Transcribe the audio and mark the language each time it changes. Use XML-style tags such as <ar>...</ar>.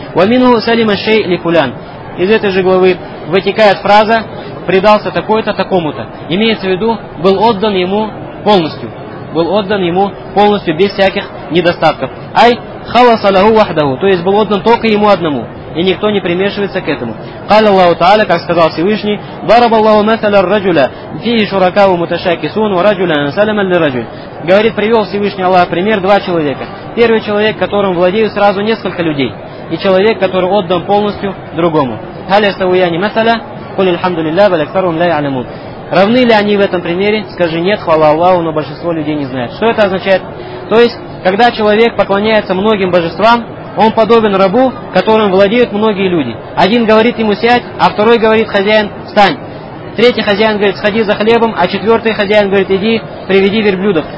<ru>«Вамину салима шей ликулян». Из этой же главы вытекает фраза «предался такой-то такому-то». Имеется в виду, был отдан ему полностью. Был отдан ему полностью, без всяких недостатков. «Ай халаса лаху вахдаху». То есть был отдан только ему одному. И никто не примешивается к этому.</ru> <ar>قال الله تعالى,</ar> <ru>как сказал Всевышний,</ru> <ar>ضرب الله مثلا الرجل فيه شركاء متشاكسون ورجلا سلما للرجل.</ar> <ru>Говорит, привел Всевышний Аллах пример два человека. Первый человек, которым владеют сразу несколько людей, и человек, который отдан полностью другому.</ru> <ar>هل يستويان مثلا قل الحمد لله بل اكثرهم لا يعلمون.</ar> <ru>Равны ли они в этом примере? Скажи нет, хвала Аллаху, но большинство людей не знает. Что это означает? То есть, когда человек поклоняется многим божествам, он подобен рабу, которым владеют многие люди. Один говорит ему «сядь», а второй говорит «хозяин, встань». Третий хозяин говорит «сходи за хлебом», а четвертый хозяин говорит «иди, приведи верблюдов».</ru>